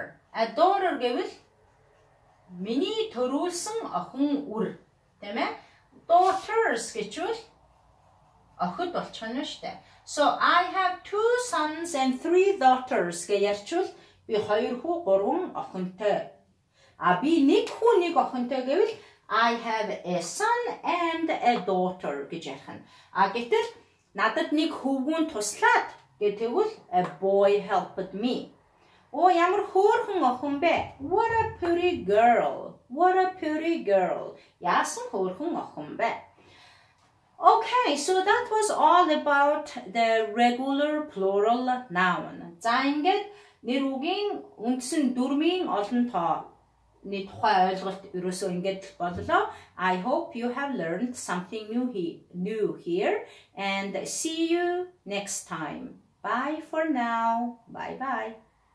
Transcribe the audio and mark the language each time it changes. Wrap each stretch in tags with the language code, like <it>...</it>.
<mn>A daughter гэвэл миний төрүүлсэн охин үр, тийм ээ? Daughters гэвэл охид болчихно шүү дээ.</mn> <en>So I have two sons and three daughters</en> <mn>гэвэл би хоёр хүү, гурван охинтой. А би нэг хүү, нэг охинтой гэвэл</mn> <en>I have a son and a daughter</en> <mn>гэж ярих нь. А гэтэл надад нэг хөвгүүн туслаад гэдэг тэгвэл</mn> <en>a boy helped me.</en> <mn>Оо ямар хөөрхөн охин бэ?</mn> <en>What a pretty girl.</en> <mn>What a pretty girl. Яасан хөөрхөн охин бэ?</mn> <en>Okay, so that was all about the regular plural noun.</en> <mn>За ингээд нэр үгийн үндсэн дүрмийн олон тооны тухай ойлголт ерөөсөө ингээд боллоо.</mn> <en>I hope you have learned something new here and see you next time. Bye for now. Bye bye.</en>